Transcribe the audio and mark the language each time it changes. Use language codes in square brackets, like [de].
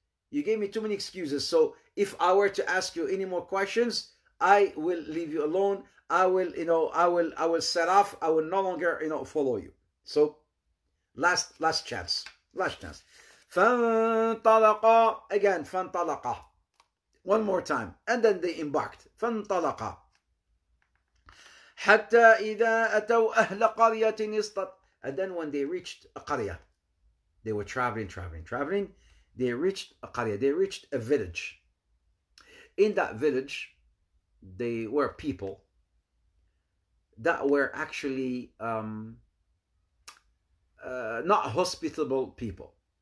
[en] You gave me too many excuses. So if I were to ask you any more questions, I will leave you alone. I will set off. I will no longer, you know, follow you. So last chance. فانطلقا. Again, فانطلقا. One more time. And then they embarked. فانطلقا. [ar] حتى إذا أتوا أهل قرية استط. [en] And then when they reached a Qarya, they were traveling. They reached a Qarya. They reached a village. In that village, they were people that were actually not hospitable people.